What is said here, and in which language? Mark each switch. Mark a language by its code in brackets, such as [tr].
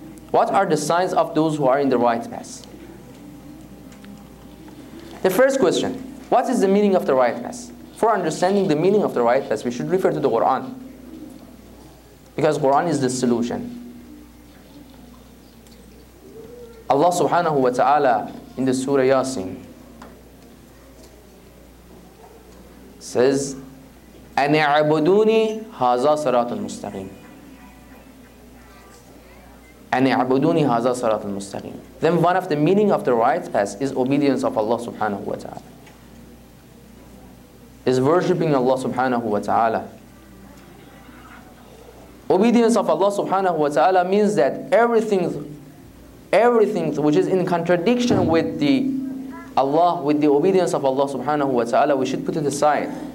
[en] What are the signs of those who are in the right path? The first question, what is the meaning of the right path? For understanding the meaning of the right path, we should refer to the Quran. Because Quran is the solution. Allah subhanahu wa ta'ala in the Surah Yasin says, [ar] أَنِ عَبُدُونِي هَذَا صَرَاطٌ مُسْتَقِيمٌ أَنِ عَبُدُونِي هَذَا صَرَاطٌ مُسْتَقِيمٌ. [en] Then one of the meaning of the right path is obedience of Allah subhanahu wa ta'ala. Is worshipping Allah subhanahu wa ta'ala. Obedience of Allah subhanahu wa ta'ala means that everything which is in contradiction with the Allah, with the obedience of Allah subhanahu wa ta'ala, we should put it aside.